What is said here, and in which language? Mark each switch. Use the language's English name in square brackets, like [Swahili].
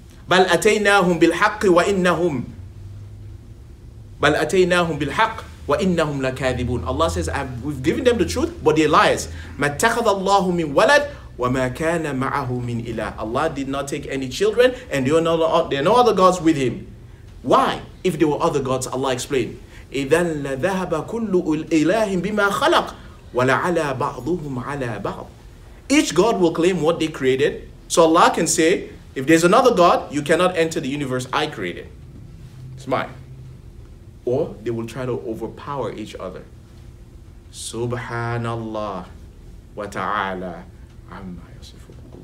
[Arabic] بَلْ أَتَيْنَاهُمْ بِالْحَقِّ وَإِنَّهُمْ بَلْ أَتَيْنَاهُمْ بِالْحَقِّ وَإِنَّهُمْ لَكَاذِبُونَ. [English] Allah says, we've given them the truth, but they're liars. [Arabic] مَتَّخَذَ اللَّهُ مِنْ وَلَدْ وَمَا كَانَ مَعَهُ مِنْ إِلَهِ. [English] Allah did not take any children, and there are no other gods with him. Why? If there were other gods, Allah explained, [Arabic] إِذَنْ لَذَهَبَ كُلُّ إِلَهٍ بِمَا خَلَقْ وَلَعَلَى بَعْضُهُمْ عَلَى بَعْضٍ. [English] Each god will claim what they created. So Allah can say, if there's another god, you cannot enter the universe I created. It's mine. Or they will try to overpower each other. [Arabic] Subhanallah wa ta'ala amma yasifun.